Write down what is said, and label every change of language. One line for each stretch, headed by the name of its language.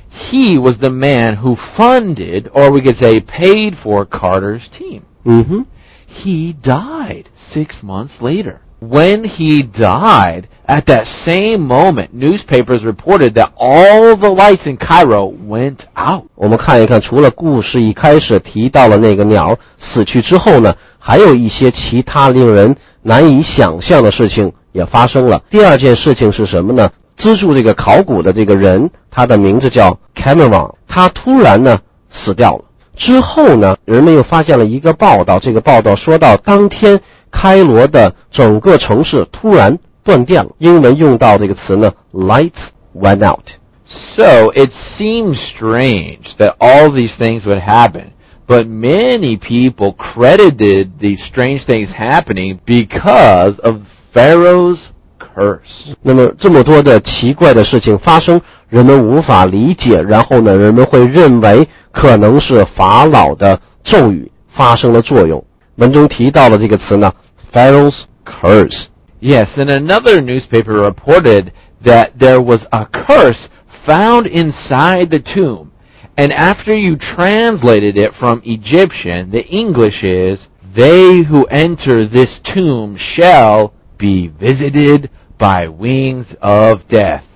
English: He was the man who funded, or we could say paid for Carter's team. Mm-hmm. He died 6 months later. When he died, at that same moment, newspapers reported that all the lights in Cairo went out.
Chinese: 我们看一看，除了故事一开始提到了那个鸟死去之后呢，还有一些其他令人难以想象的事情也发生了。第二件事情是什么呢？资助这个考古的这个人，他的名字叫 Carnarvon， 他突然呢死掉了。之后呢，人们又发现了一个报道，这个报道说到当天开罗的整个城市突然断电了，英文用到这个词呢
English: lights went out. So it seems strange that all these things would happen, but many people credited these strange things happening because of Pharaoh's curse.
Chinese: 那么这么多的奇怪的事情发生，人们无法理解，然后呢人们会认为可能是法老的咒语发生了作用。文中提到了这个词呢 Pharaoh's curse.
English: Yes, and another newspaper reported that there was a curse found inside the tomb. And after you translated it from Egyptian, the English is, they who enter this tomb shall be visited by wings of death.